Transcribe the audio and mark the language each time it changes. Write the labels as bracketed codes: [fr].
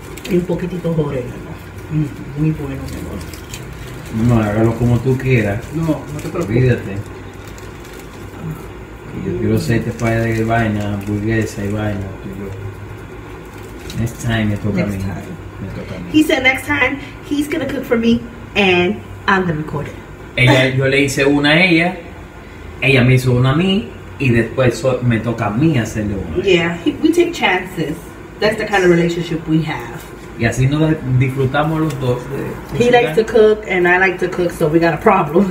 [es] Y un poquitito de orégano, muy bueno, mi amor. No, hágalo como tú quieras. No, no te preocupes. Olvídate. Y yo quiero hacer este pie de vaina, hamburguesa y vaina. [en] Next time, [es] me toca a mí. [en] He said next time, he's going to cook for me, and I'm going to record it. [es] Ella, yo le hice una a ella, ella me hizo una a mí, y después me toca a mí hacerle una. [en] Yeah, we take chances. That's the kind of relationship we have. [es] Y así nos disfrutamos los dos. [en] He likes to cook, and I like to cook, so we got a problem.